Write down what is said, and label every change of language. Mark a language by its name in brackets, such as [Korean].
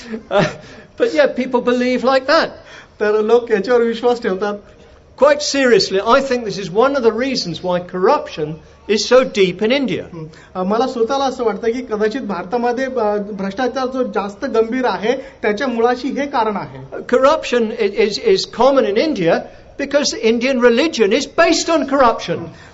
[English] But yeah, people believe like that. [Marathi] तर लोक याच्यावर विश्वास ठेवतात. [English] Quite seriously, I think this is one of the reasons why corruption is so deep in India. [Marathi] मला स्वतःला असं वाटतं की कदाचित भारतामध्ये भ्रष्टाचार जो जास्त गंभीर आहे त्याच्या मुळाशी हे कारण आहे. [English] Corruption is common in India because Indian religion is based on corruption.